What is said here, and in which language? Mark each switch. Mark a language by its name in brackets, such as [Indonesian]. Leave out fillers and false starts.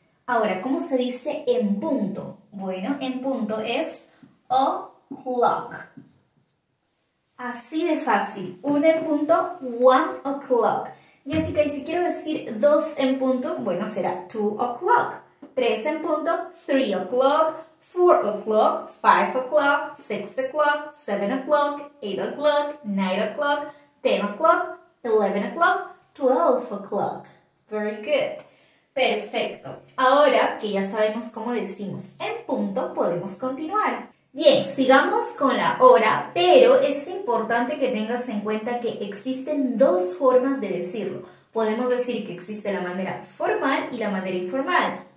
[Spanish] Ahora, ¿cómo se dice en punto? Bueno, en punto es o'clock. Así de fácil. Una en punto, [English] one o'clock. [Spanish] Jessica, y si quiero decir dos en punto, bueno, será [English] 2 o'clock. [Spanish] Tres en punto, [English] 3 o'clock. 4 o'clock, 5 o'clock, 6 o'clock, 7 o'clock, 8 o'clock, 9 o'clock, 10 o'clock, 11 o'clock, 12 o'clock. Very good. [Spanish] Perfecto. Ahora que ya sabemos cómo decimos en punto, podemos continuar. Bien, sigamos con la hora, pero es importante que tengas en cuenta que existen dos formas de decirlo. Podemos decir que existe la manera formal y la manera informal.